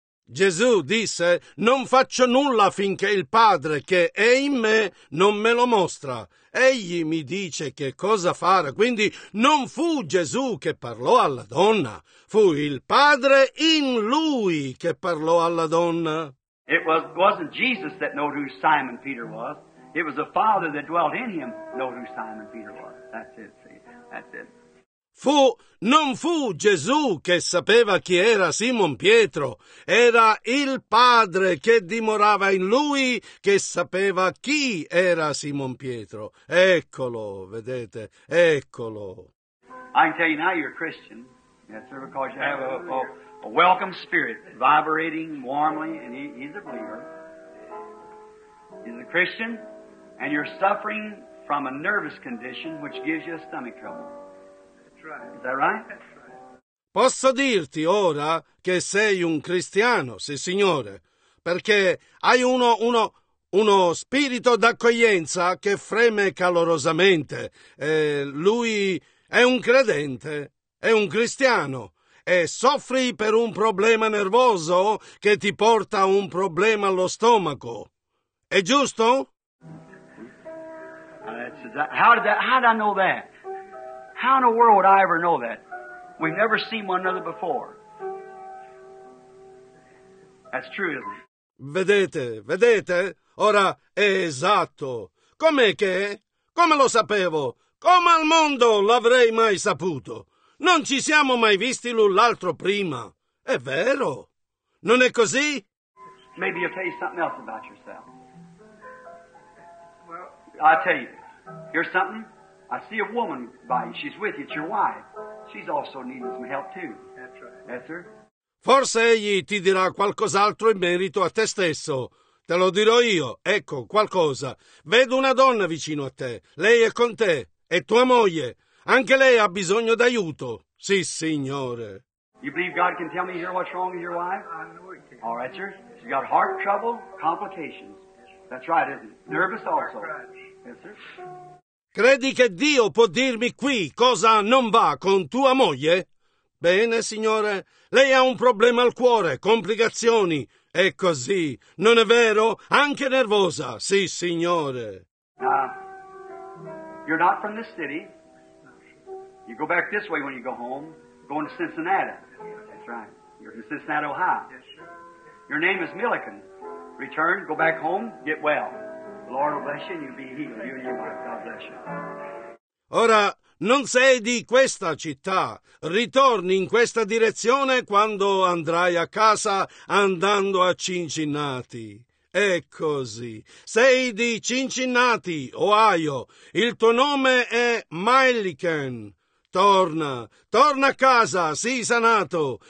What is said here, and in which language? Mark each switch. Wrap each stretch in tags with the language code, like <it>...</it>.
<it>Gesù disse, non faccio nulla finché il Padre che è in me non me lo mostra. Egli mi dice che cosa fare, quindi non fu Gesù che parlò alla donna, fu il Padre in lui che parlò alla donna.</it> <en>It wasn't Jesus that knew who Simon Peter was, it was the Father that dwelt in him knew who Simon Peter was. That's it, see, that's it.</en> <it>Non fu Gesù che sapeva chi era Simon Pietro, era il Padre che dimorava in lui che sapeva chi era Simon Pietro. Eccolo, vedete, eccolo.</it> <en>I can tell you now you're a Christian, yes, sir, because you have a welcome spirit vibrating warmly, and he's a believer. He's a Christian, and you're suffering from a nervous condition which gives you a stomach trouble. Is that right?</en> <it>Posso dirti ora che sei un cristiano, sì signore, perché hai uno spirito d'accoglienza che freme calorosamente. Lui è un credente, è un cristiano, e soffri per un problema nervoso che ti porta un problema allo stomaco. È giusto?</it> <en>How did I know that? How in the world would I ever know that? We've never seen one another before. That's true, isn't it?</en> <it>Vedete? Ora è esatto. Com'è che? Come lo sapevo? Come al mondo l'avrei mai saputo? Non ci siamo mai visti l'un l'altro prima. È vero. Non è così?</it> <en>Maybe you'll tell you something else about yourself. Well, I'll tell you. Here's something. I see a woman by you. She's with you. It's your wife. She's also needing some help too. That's right. Yes, sir?</en> <it>Forse egli ti dirà qualcos'altro in merito a te stesso. Te lo dirò io. Ecco, qualcosa. Vedo una donna vicino a te. Lei è con te. È tua moglie. Anche lei ha bisogno d'aiuto. Sì, signore.</it> <en>You believe God can tell me here what's wrong with your wife? I know he can. All right, sir. She's got heart trouble, complications. That's right, isn't it? Nervous also. Yes, sir?</en> <it>Credi che Dio può dirmi qui cosa non va con tua moglie? Bene, signore, lei ha un problema al cuore, complicazioni. È così, non è vero? Anche nervosa, sì, signore.</it> <en>You're not from this city. You go back this way when you go home. Going to Cincinnati. That's right. You're in Cincinnati, Ohio. Yes, sir. Your name is Milliken. Return, go back home, get well. Lord bless you and you'll be healed. You and your wife. God bless you.</en> <it>Ora, non sei di questa città. Ritorni in questa direzione quando andrai a casa andando a Cincinnati. È così. Sei di Cincinnati, Ohio. Il tuo nome è Milliken. Torna, torna a casa, sii sanato.</it>